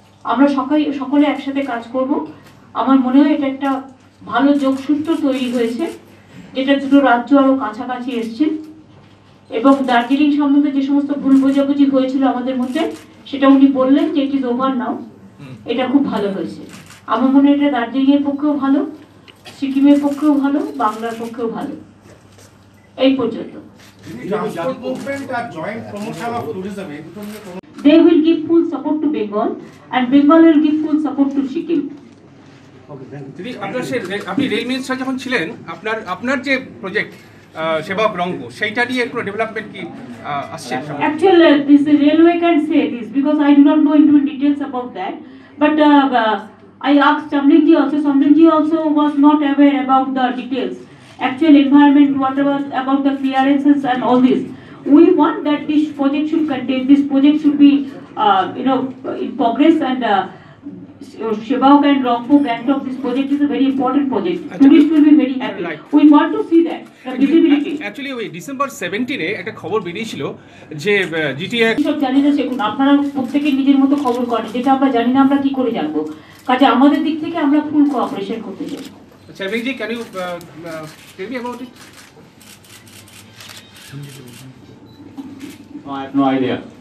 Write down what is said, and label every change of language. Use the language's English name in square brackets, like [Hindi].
[Bangla] আমরা সকলে একসাথে কাজ করব। আমার মনে হয় এটা একটা ভালো যোগসূত্র তৈরি হয়েছে, যেটা দুটো রাজ্য আরও কাছাকাছি এসছে এবং দার্জিলিং সম্বন্ধে যে সমস্ত ভুল বোঝাবুঝি হয়েছিল আমাদের মধ্যে সেটা উনি বললেন যে [English] it is over now, [Bangla] এটা খুব ভালো হয়েছে। আমার মনে হয় এটা দার্জিলিংয়ের পক্ষেও ভালো, সিকিমের পক্ষেও ভালো, বাংলার পক্ষেও ভালো। এই পর্যন্ত। [English] They will give full support to Bengal and Bengal will give full support to Sikkim. [Bangla] দিদি আপনার সে আপনি রেল মিনিস্টার যখন ছিলেন আপনার আপনার যে প্রজেক্ট সেবক রঙ্গ সেইটা নিয়ে একটু ডেভেলপমেন্ট কি আসছে? [English] Actually this the railway can say this because I do not know into details about that but I asked Chamling ji also, Chamling ji also was not aware about the details. Actual environment, whatever about the clearances and all this, we want that this project should contain, this project should be in progress, and Shebaok and Rongpo Gangtok, this project is a very important project. Tourists will be very happy. Right. We want to see that. Actually, we December 17th, [Bangla] একটা খবর বেরিয়েছিলো যে GTA সব জানি না সেগুলো আপনারা প্রত্যেকে নিজের মতো খবর করেন, যেটা আমরা জানি না আমরা কি করে জানবো, কাজে আমাদের দিক থেকে আমরা ফুল কোঅপারেশন করতে চাই। [English] চ্যাবিংজি, can you tell me about it? No idea,